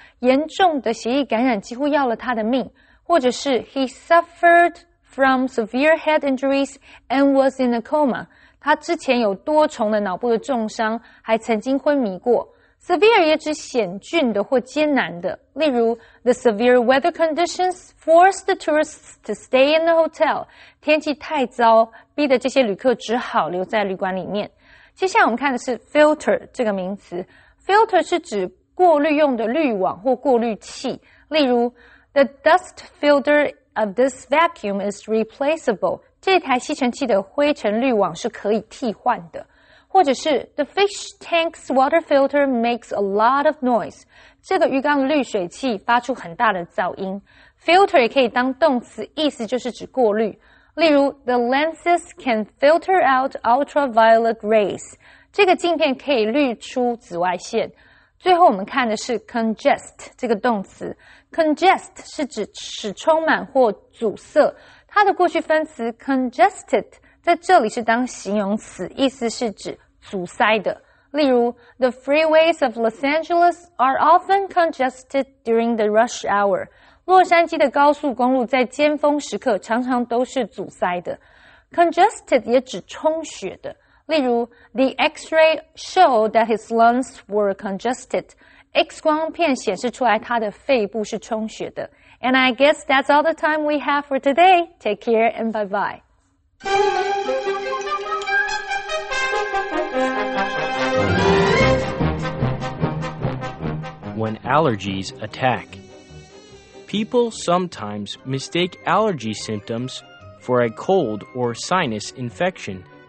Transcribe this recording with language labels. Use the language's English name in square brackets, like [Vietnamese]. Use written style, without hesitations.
[Chinese] 严重的血液感染几乎要了他的命。或者是 [English] ,he suffered from severe head injuries and was in a coma. [Chinese] 他之前有多重的脑部的重伤还曾经昏迷过。 Severe 也指险峻的或艰难的。例如 [English] ,the severe weather conditions forced the tourists to stay in the hotel. [Chinese] 天气太糟逼得这些旅客只好留在旅馆里面。接下来我们看的是 filter 这个名词。filter 是指过滤用的滤网或过滤器。例如 [English] ,the dust filter of this vacuum is replaceable. [Chinese] 这台吸尘器的灰尘滤网是可以替换的。或者是 [English] ,the fish tank's water filter makes a lot of noise. [Chinese] 这个鱼缸的滤水器发出很大的噪音。 filter 也可以当动词意思就是指过滤。例如 , [English] the lenses can filter out ultraviolet rays. [Chinese] 这个镜片可以滤出紫外线。最后我们看的是 congest, 这个动词。congest 是指齿充满或阻塞。它的过去分词 congested,在这里是当形容词，意思是指阻塞的。例如 [English] ,the freeways of Los Angeles are often congested during the rush hour. [Chinese] 洛杉矶的高速公路在尖峰时刻常常都是阻塞的。 congested 也指充血的。例如 [English] ,the x-ray showed that his lungs were congested. [Chinese] X 光片显示出来他的肺部是充血的。 [English] And I guess that's all the time we have for today. Take care and bye-bye. When allergies attack, people sometimes mistake allergy symptoms for a cold or sinus infection.